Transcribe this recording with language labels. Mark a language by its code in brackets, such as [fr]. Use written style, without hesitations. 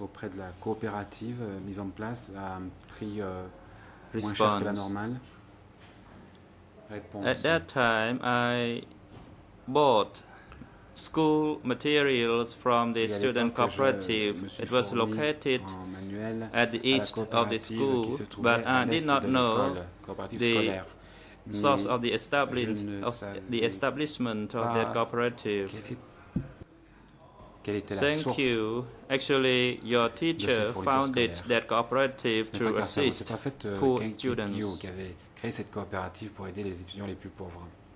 [fr] Auprès de la coopérative mise en place à un prix moins cher que la normale. Réponse. [en] At that time, I bought school materials from the student cooperative. It was located at the east of the school, but I did not know the source of the establishment of the cooperative. Thank you. Actually, your teacher founded that cooperative to assist poor students. [fr] Qui avait créé cette coopérative pour aider les étudiants les plus pauvres.